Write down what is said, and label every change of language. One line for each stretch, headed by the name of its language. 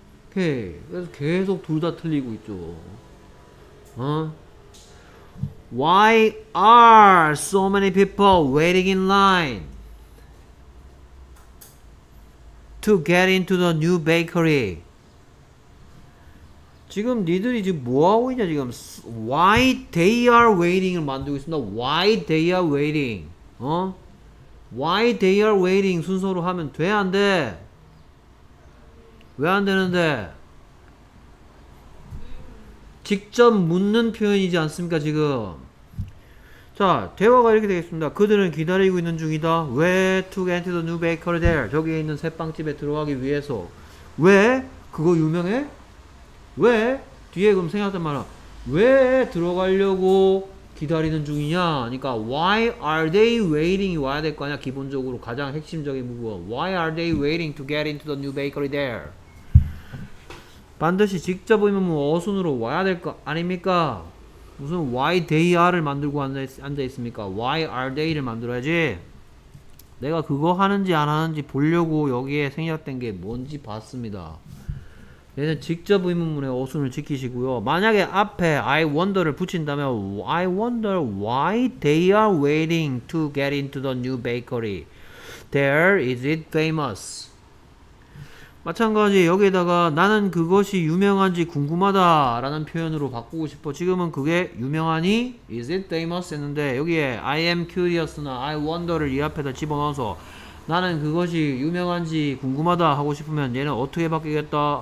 Korean: 오케이, 그래서 계속 둘 다 틀리고 있죠. 어?
English: Why are so many people waiting in line to get into the new bakery?
Korean: 지금 니들이 지금 뭐 하고 있냐 지금?
English: Why they are waiting을
Korean: 만들고 있습니다.
English: Why they are waiting?
Korean: 어?
English: Why they are waiting
Korean: 순서로 하면 돼 안 돼? 왜 안 되는데? 직접 묻는 표현이지 않습니까 지금? 자, 대화가 이렇게 되겠습니다. 그들은 기다리고 있는 중이다. 왜?
English: To get into the new bakery there.
Korean: 저기에 있는 새 빵집에 들어가기 위해서. 왜? 그거 유명해? 왜? 뒤에 그럼 생각하단 말아. 왜 들어가려고 기다리는 중이냐? 그러니까
English: why are they waiting
Korean: 이 와야 될 거 아니야? 기본적으로 가장 핵심적인 부분.
English: Why are they waiting to get into the new bakery there?
Korean: 반드시 직접 보면 뭐 어순으로 와야 될 거 아닙니까? 무슨
English: why they are
Korean: 를 만들고 앉아있습니까?
English: Why are they
Korean: 를 만들어야지. 내가 그거 하는지 안 하는지 보려고 여기에 생략된 게 뭔지 봤습니다. 얘는 직접 의문문의 어순을 지키시고요. 만약에 앞에
English: I wonder를
Korean: 붙인다면
English: I wonder why they are waiting to get into the new bakery. There is it famous.
Korean: 마찬가지 여기에다가 나는 그것이 유명한지 궁금하다 라는 표현으로 바꾸고 싶어. 지금은 그게 유명하니?
English: Is it famous?
Korean: 했는데 여기에
English: I am curious
Korean: 나
English: I wonder
Korean: 를 이 앞에다 집어넣어서 나는 그것이 유명한지 궁금하다 하고 싶으면 얘는 어떻게 바뀌겠다?